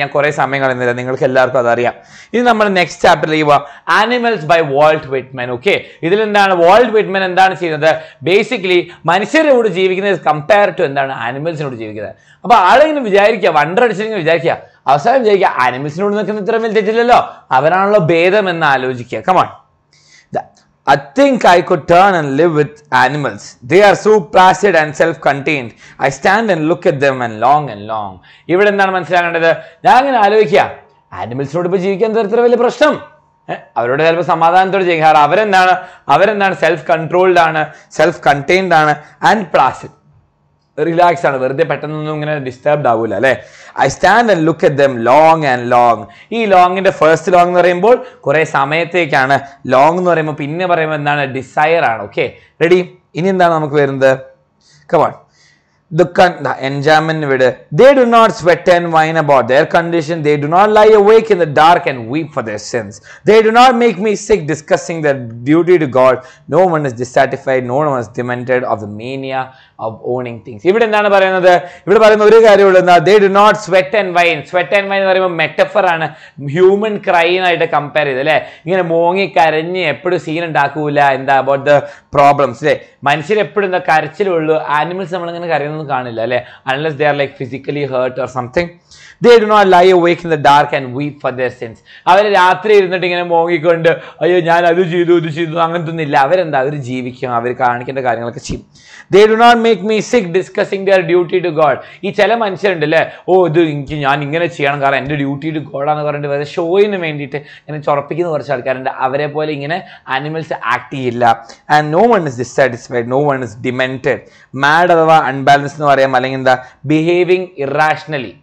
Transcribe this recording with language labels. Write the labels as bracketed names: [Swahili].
[Malayalam] ഞാൻ കുറെ സമയം കളയുന്നില്ല, നിങ്ങൾക്ക് എല്ലാവർക്കും അതറിയാം. ഇനി നമ്മൾ നെക്സ്റ്റ് ചാപ്റ്ററിലേക്ക് പോവാം, ആനിമൽസ് ബൈ വാൾട്ട് വിറ്റ്മൻ. ഓക്കെ, ഇതിൽ എന്താണ് വാൾട്ട് വിറ്റ്മൻ എന്താണ് ചെയ്യുന്നത്? ബേസിക്കലി മനുഷ്യരുടെ കൂടെ ജീവിക്കുന്നത് കമ്പയർ ടു എന്താണ് ആനിമൽസിനോട് ജീവിക്കുന്നത്. അപ്പൊ ആളിങ്ങനെ വിചാരിക്കുക, വണ്ടർ അടിച്ചിട്ട് വിചാരിക്കുക, അവസാനം വിചാരിക്കുക ആനിമൽസിനോട് നിൽക്കുന്ന ഇത്ര വലിയ തെറ്റില്ലല്ലോ, അവരാണല്ലോ ഭേദം എന്ന് ആലോചിക്കുക. [English] Come on, I think I could turn and live with animals. They are so placid and self-contained. I stand and look at them and long. [Malayalam] ഇവിടെ എന്താണ് മനസ്സിലാക്കേണ്ടത്? ഞാൻ ഇങ്ങനെ ആലോചിക്കുക, ആനിമൽസിനോട് ഇപ്പോൾ ജീവിക്കാൻ തരത്തിൽ വലിയ പ്രശ്നം. അവരോട് ചിലപ്പോൾ സമാധാനത്തോട് ജീവിക്കാം. അവരെന്താണ്? അവരെന്താണ്? സെൽഫ് കൺട്രോൾഡ് ആണ്, സെൽഫ് കണ്ടെയ്ൻഡ് ആണ്, ആൻഡ് പ്ലാസിഡ്, റിലാക്സ് ആണ്, വെറുതെ പെട്ടെന്നൊന്നും ഇങ്ങനെ ഡിസ്റ്റർബ്ഡ് ആവൂല അല്ലേ. [English] I stand and look at them long and long. [Malayalam] ഈ ലോങ്ങിന്റെ ഫസ്റ്റ് ലോങ് എന്ന് പറയുമ്പോൾ കുറെ സമയത്തേക്കാണ്, ലോങ് എന്ന് പറയുമ്പോൾ പിന്നെ പറയുമ്പോൾ എന്താണ്? ഡിസയർ ആണ്. Okay ready? ഇനി എന്താണ് നമുക്ക് വരുന്നത്? കമോൺ, ദുഃഖം എൻജോയ്മെന്റ് വിട്. [English] They do not sweat and whine about their condition. They do not lie awake in the dark and weep for their sins. They do not make me sick discussing the duty to God. No one is dissatisfied, no one is demented of the mania of owning things. [Malayalam] ഇവിടെ എന്താണ് പറയുന്നത്? ഇവിടെ പറയുന്ന ഒരു കാര്യമുള്ള എന്താ, [English] They do not sweat and whine. [Malayalam] Sweat and wine എന്ന് പറയുമ്പോൾ മെറ്റഫർ ആണ്, ഹ്യൂമൻ ക്രൈനായിട്ട് കമ്പയർ ചെയ്ത് അല്ലേ. ഇങ്ങനെ മോങ്ങി കരഞ്ഞ് എപ്പോഴും സീൻ ഉണ്ടാക്കൂല, എന്താ അബൌട്ട് ദ പ്രോബ്ലംസ് അല്ലേ. മനുഷ്യർ എപ്പോഴും എന്താ കരച്ചിലുള്ളൂ, ആനിമൽസ് നമ്മളിങ്ങനെ കരയുന്നത് കാണില്ല അല്ലേ. [English] Unless they are like physically hurt or something. They do not lie awake in the dark and weep for their sins. [Malayalam] അവരെ രാത്രി ഇരുന്നിട്ട് ഇങ്ങനെ മോങ്ങിക്കൊണ്ട് അയ്യോ ഞാൻ അത് ചെയ്തു ഇത് ചെയ്തു അങ്ങനത്തെ ഒന്നും ഇല്ല. അവരെന്താ, അവർ ജീവിക്കും, അവർ കാണിക്കേണ്ട കാര്യങ്ങളൊക്കെ ചെയ്യും. [English] They do not make me sick discussing their duty to God. [Malayalam] ഈ ചില മനുഷ്യരുണ്ട് അല്ലേ, ഓ ഇത് എനിക്ക് ഞാൻ ഇങ്ങനെ ചെയ്യണം കാരണം എൻ്റെ ഡ്യൂട്ടി ടു ഗോഡ് ആണെന്ന് പറഞ്ഞിട്ട് വരെ ഷോയിന് വേണ്ടിയിട്ട് ഇങ്ങനെ ചൊറപ്പിക്കുന്ന കുറച്ച് ആൾക്കാരുണ്ട്. അവരെ പോലെ ഇങ്ങനെ ആനിമൽസ് ആക്ട് ചെയ്യില്ല. [English] and no one is dissatisfied, no one is demented, [Malayalam] mad അഥവാ അൺബാലൻസ് എന്ന് പറയാം, അല്ലെങ്കിൽ എന്താ ബിഹേവിങ് ഇറാഷണലി.